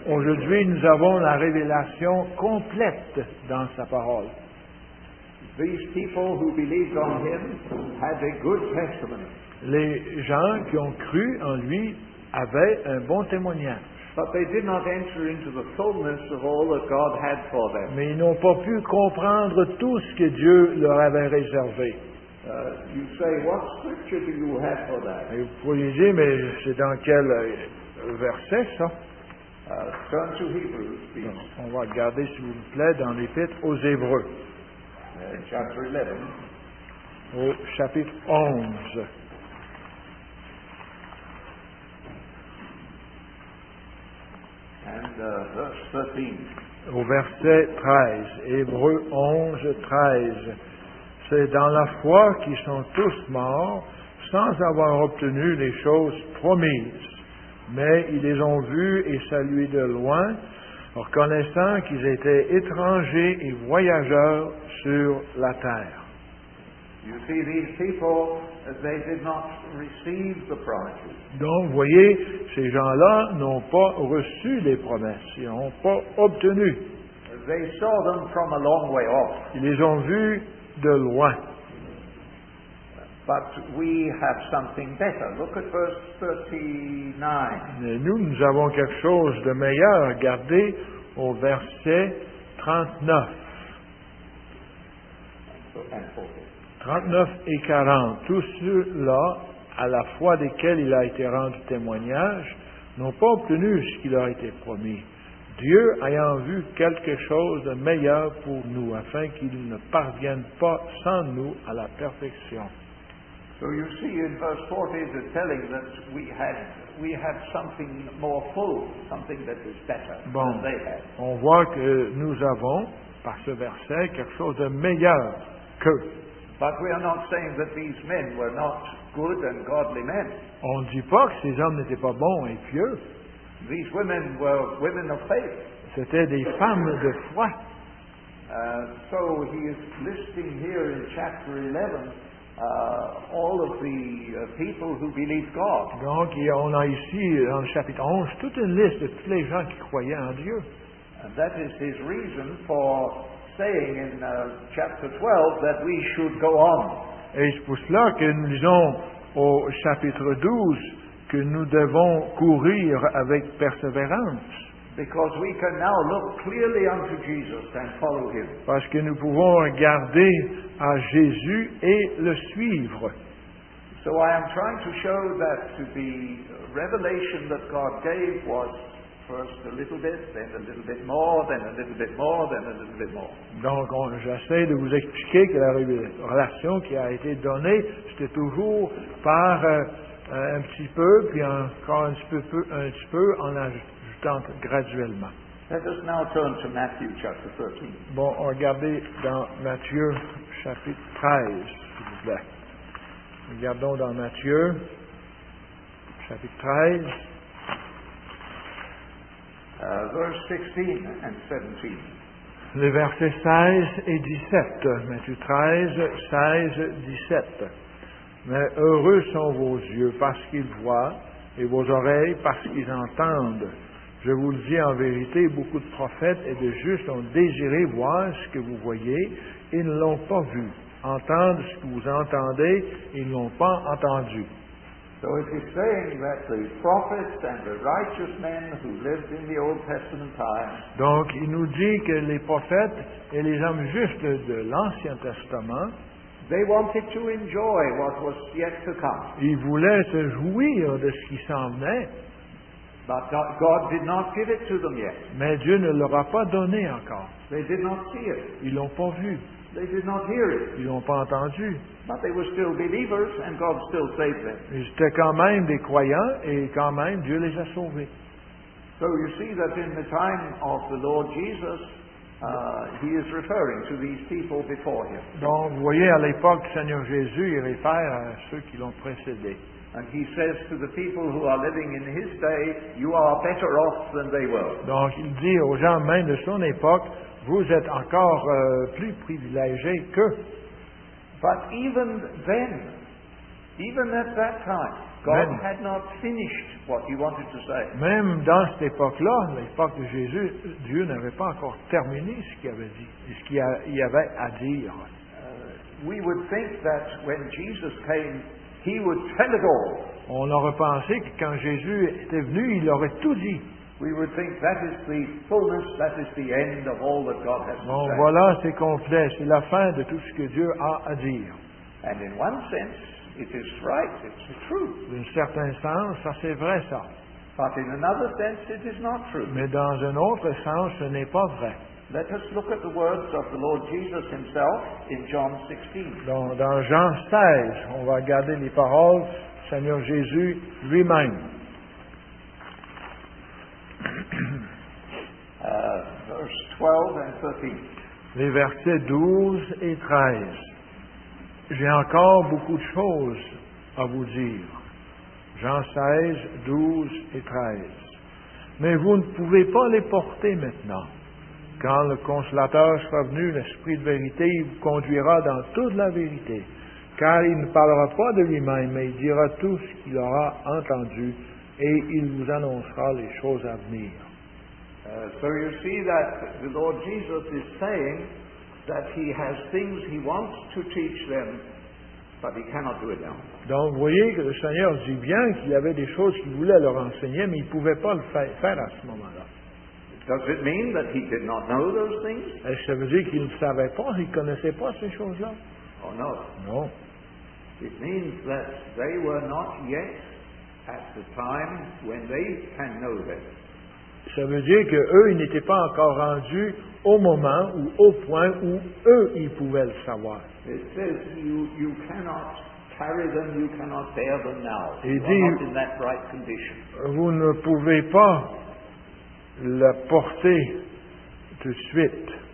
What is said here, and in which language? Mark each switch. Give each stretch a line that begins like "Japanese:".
French: Aujourd'hui, nous avons la révélation complète dans sa parole.
English: These people who believed on him had a good testimony.
French: Les gens qui ont cru en lui avaient un bon témoignage.
English: But they did not enter into the fullness of all that God had for them.
French: Mais ils n'ont pas pu comprendre tout ce que Dieu leur avait réservé.
English: You say, what scripture do you have for that?
French: Et vous pourriez dire, mais c'est dans quel verset ça?
English: Turn to Hebrews, please.
French: Donc, on va regarder, s'il vous plaît, dans l'Épître aux Hébreux.
English: Chapter 11.
French: Au chapitre 11.
English: And verse 13.
French: Au verset 13. Hébreux 11, 13. C'est dans la foi qu'ils sont tous morts sans avoir obtenu les choses promises. Mais ils les ont vus et salués de loin, reconnaissant qu'ils étaient étrangers et voyageurs sur la terre.
English: You see, these people, they did not receive the promises.
French: Donc, vous voyez, ces gens-là n'ont pas reçu les promesses, ils n'ont pas obtenu.
English: They saw them from a long way off.
French: Ils les ont vus de loin.
English: But we have something better. Look at verse 39.
French: Nous avons quelque chose de meilleur. Regardez au verset 39 et 40. Tous ceux-là, à la foi desquels il a été rendu témoignage, n'ont pas obtenu ce qui leur a été promis. Dieu ayant vu quelque chose de meilleur pour nous, afin qu'ils ne parviennent pas sans nous à la perfection.
English: So you see in verse 40 is telling that we have something more full, something that is better
French: bon,
English: than they had.
French: On voit que nous avons, par ce verset, quelque chose de meilleur qu'eux.
English: But we are not saying that these men were not good and godly men.
French: On ne dit pas que ces hommes n'étaient pas bons et pieux.
English: These women were women of faith.
French: C'était des femmes de foi.
English: So he is listing here in chapter 11 all of the people who believed God.
French: Donc on a ici dans le chapitre 11 toute une liste de tous les gens qui croyaient en Dieu.
English: And that is his reason for saying in chapter 12 that we should go on.
French: Et c'est pour cela que nous lisons au chapitre 12 que nous devons courir avec persévérance.
English: Because we can now look clearly unto Jesus and follow him.
French: Parce que nous pouvons regarder à Jésus et le suivre.
English: So I am trying to show that the revelation that God gave was first a little bit, then a little bit more, then a little bit more, then a little bit more.
French: Donc j'essaie de vous expliquer que la révélation qui a été donnée, c'était toujours par un petit peu, puis encore un petit peu en ajoutant graduellement.
English: Let us now turn to Matthew chapter 13.
French: Bon, regardez dans Matthieu chapitre 13, s'il vous plaît. Regardons dans Matthieu chapitre 13.
English: Verse 16 and 17.
French: Les versets 16 et 17. Matthieu 13, 16, 17. Mais heureux sont vos yeux parce qu'ils voient et vos oreilles parce qu'ils entendent. Je vous le dis en vérité, beaucoup de prophètes et de justes ont désiré voir ce que vous voyez et ne l'ont pas vu. Entendre ce que vous entendez et ne l'ont pas entendu.
English: So it is saying that the prophets and the righteous men who lived in the Old Testament times.
French: Donc il nous dit que les prophètes et les hommes justes de l'Ancien Testament,
English: they wanted to enjoy what was yet to come.
French: Ils voulaient se jouir de ce qui s'en venait.
English: But God did not give it to them yet.
French: Mais Dieu ne leur a pas donné encore.
English: They did not see it.
French: Ils l'ont pas vu.
English: They did not hear it.
French: Ils l'ont pas entendu.
English: But they were still believers and God still saved them.
French: Ils étaient quand même des croyants et quand même Dieu les a sauvés.
English: So you see that in the time of the Lord Jesus, he is referring to these people before him.
French: Donc vous voyez à l'époque du Seigneur Jésus, il réfère à ceux qui l'ont précédé.
English: And he says to the people who are living in his day, you are better off than they were.
French: Donc il dit aux gens même de son époque, vous êtes encore plus privilégiés qu'eux.
English: But even then, even at that time, God had not finished what he wanted to say.
French: Même dans cette époque-là, l'époque de Jésus, Dieu n'avait pas encore terminé ce qu'il avait dit, ce qu'il y avait à dire.
English: We would think that when Jesus came, he would tell it all.
French: On aurait pensé que quand Jésus était venu, il aurait tout dit.
English: We would think that is the fullness, that is the end of all that God has to say.
French: Bon, voilà, c'est complet, c'est la fin de tout ce que Dieu a à dire.
English: And in one sense, it is right, it's true.
French: D'un certain sens, ça c'est vrai ça.
English: But in another sense, it is not true.
French: Mais dans un autre sens, ce n'est pas vrai.
English: Let us look at the words of the Lord Jesus himself in John 16.
French: Dans Jean 16, on va regarder les paroles du Seigneur Jésus lui-même. Verse 12 and 13. Les versets 12 et 13. J'ai encore beaucoup de choses à vous dire. Jean 16, 12 et 13. Mais vous ne pouvez pas les porter maintenant. Quand le Consolateur sera venu, l'Esprit de vérité, il vous conduira dans toute la vérité. Car il ne parlera pas de lui-même, mais il dira tout ce qu'il aura entendu. Et il vous annoncera les choses à venir.
English: So you see that the Lord Jesus is saying that he has things he wants to teach them, But he cannot do it now.
French: Donc, vous voyez que le Seigneur dit bien qu'il y avait des choses qu'il voulait leur enseigner, mais il ne pouvait pas le faire à ce moment-là.
English: Does it mean that he did not know those things?
French: Est-ce que ça veut dire qu'il ne savait pas, il ne connaissait pas ces choses-là?
English: Oh, no.
French: Non.
English: It means that they were not yet at the time when they can know this.
French: Ça veut dire qu'eux, ils n'étaient pas encore rendus au moment ou au point où eux, ils pouvaient le savoir.
English: It says you cannot carry them, you cannot bear them now. You are not in that right condition.
French: Vous ne pouvez pas la porter tout de suite.